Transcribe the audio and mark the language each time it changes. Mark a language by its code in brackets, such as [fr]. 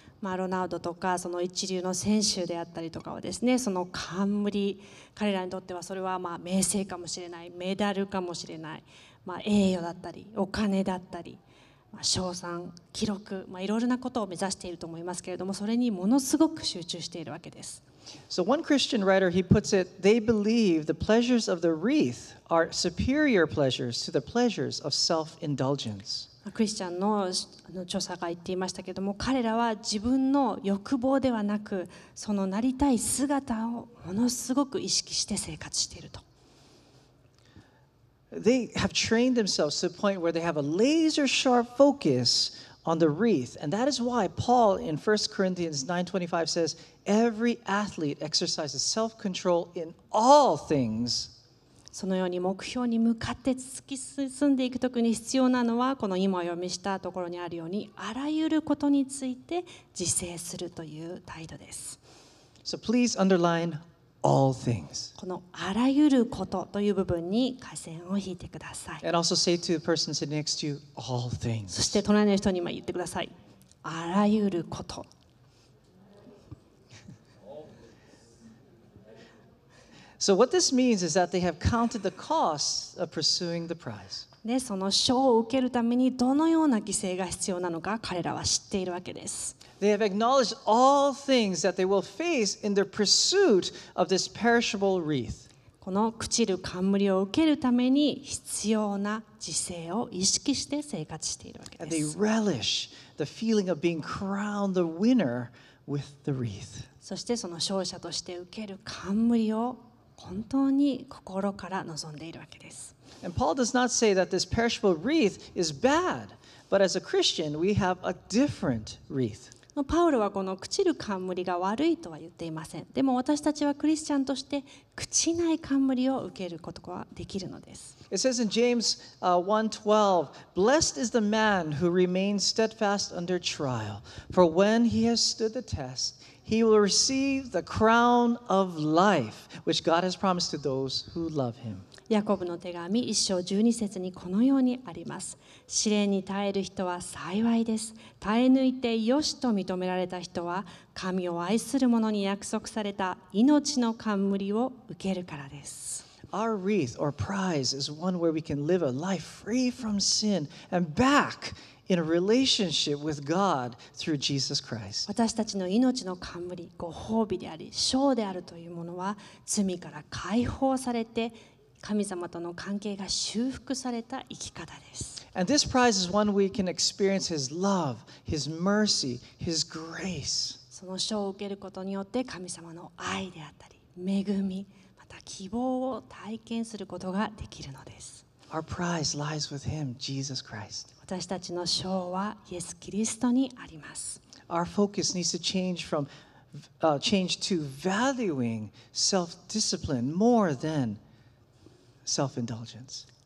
[ja] まあ、ロナウドとかその一流の選手であったりとかはですね、その冠、彼らにとってはそれはまあ名声かもしれない、メダルかもしれない、まあ、栄誉だったり、お金だったり、まあ、賞賛、記録、まあ、いろいろなことを目指していると思いますけれども、それにものすごく集中しているわけです。 [en] So one Christian writer, he puts it, they believe the pleasures of the wreath are superior pleasures to the pleasures of self-indulgence. [ja] クリスチャンの著者が言っていましたけれども、彼らは自分の欲望ではなく、そのなりたい姿をものすごく意識して生活していると。 [en] They have trained themselves to the point where they have a laser-sharp focus on the wreath. And that is why Paul in 1 Corinthians 9:25 says,Every athlete exercises self-control in all things. [ja] そのように目標に向かって突き進んでいくときに必要なのは、この今読みしたところにあるように、あらゆることについて自制するという態度です。 [en] So please underline all things. [ja] このあらゆることという部分に下線を引いてください。 [en] And also say to the person sitting next to you, all things. [ja] そして隣の人にも言ってください。あらゆること。 [en] So what this means is that they have counted the cost of pursuing the prize. [ja] で、その賞を受けるためにどのような犠牲が必要なのか彼らは知っているわけです。 [en] They have acknowledged all things that they will face in their pursuit of this perishable wreath. [ja] この朽ちる冠を受けるために必要な犠牲を意識して生活しているわけです。 [en] And they relish the feeling of being crowned the winner with the wreath. [ja] そしてその勝者として受ける冠を本当に心から望んでいるわけです。 [en] And Paul does not say that this perishable wreath is bad, but as a Christian, we have a different wreath. [ja] パウロはこの朽ちる冠が悪いとは言っていません。でも私たちはクリスチャンとして朽ちない冠を受けることができるのです。 [en] It says in James 1:12, Blessed is the man who remains steadfast under trial, for when he has stood the test, he will receive the crown of life, which God has promised to those who love him. [ja] ヤコブの手紙1章12節にこのようにあります。試練に耐える人は幸いです。耐え抜いてよしと認められた人は神を愛する者に約束された命の冠を受けるからです。 [en] Our wreath or prize is one where we can live a life free from sin and back in a relationship with God through Jesus Christ. [ja] 私たちの命の冠、ご褒美であり賞であるというものは罪から解放されて神様との関係が修復された生き方です。 [en] And this prize is one we can experience His love, His mercy, His grace. [ja] その賞を受けることによって神様の愛であったり恵み、また希望を体験することができるのです。 [en] Our prize lies with Him, Jesus Christ. [ja] 私たちの賞はイエス・キリストにあります。 [en] Our focus needs to change from change to valuing self-discipline more than self-indulgence.